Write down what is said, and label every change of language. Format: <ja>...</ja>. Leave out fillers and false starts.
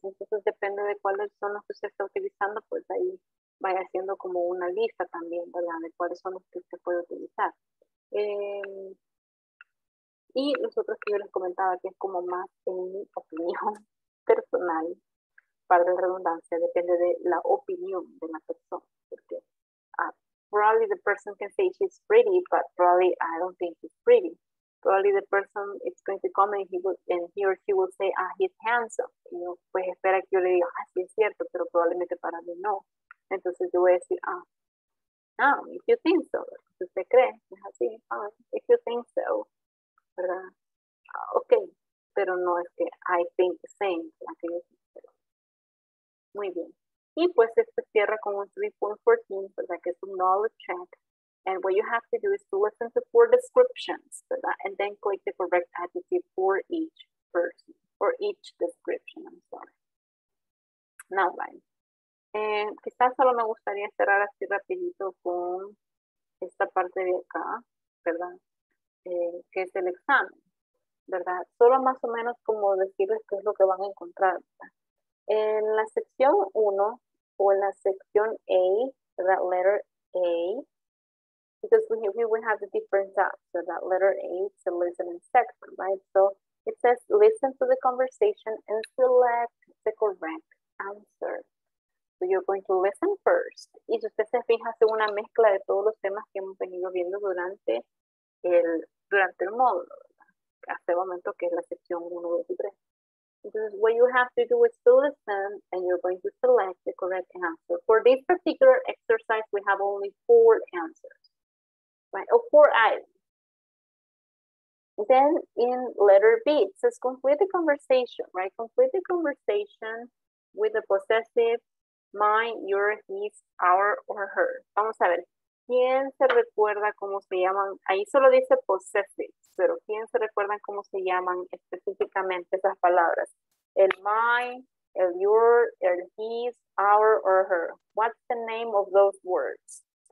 <es>Entonces, depende de cuáles son los que usted está utilizando, pues ahí vaya haciendo como una lista también, ¿verdad? De cuáles son los que usted puede utilizar. Y los otros que yo les comentaba, que es como más en mi opinión personal, para la redundancia, depende de la opinión de la persona. Porque</es> <en>probably the person can say she's pretty, but probably I don't think he's pretty. Probably the person is going to comment he or she will say, ah, he's handsome.</en> <es>Y yo, pues espera que yo le diga, ah, sí es cierto, pero probablemente para mí no. Entonces yo voy a decir, ah, no,</es> <en>if you think so.</en> <es>Si usted cree, es así, ah,</es> <en>if you think so.</en> <es>¿Verdad? Ok, pero no es que</es> <en>I think the same.</en> <es>Muy bien. Y pues esto cierra con un 3.14, ¿verdad? Que es un</es> <en>knowledge check. And what you have to do is to listen to 4 descriptions,</en> <es>¿verdad?</es> <en>And then click the correct adjective for each person, or each description, I'm sorry. Now, bye.</en> <es>Quizás solo me gustaría cerrar así rapidito con esta parte de acá, ¿verdad? Que es el examen, ¿verdad? Solo más o menos como decirles qué es lo que van a encontrar, ¿verdad? En la sección 1 o en la sección A, ¿verdad?</es> <en>Letter A, because we will have the different tabs, so that letter A is the listening section, right? So it says listen to the conversation and select the correct answer. So you're going to listen first.</en> <es>Y si usted se fija, hace una mezcla de todos los temas que hemos venido viendo durante el módulo, ¿verdad? Hasta el momento que es la sección 1, 2 y 3. Entonces,</es> <en>what you have to do is to listen and you're going to select the correct answer. For this particular exercise, we have only 4 answers, right? Or 4 items. Then in letter B, it says complete the conversation, right? Complete the conversation with the possessive my, your, his, our, or her.</en> <es>Vamos a ver. ¿Quién se recuerda cómo se llaman? Ahí solo dice possessive, pero ¿quién se recuerda cómo se llaman específicamente esas palabras? El my, el your, el his, our, or her.</es> <en>What's the name of those words?</en>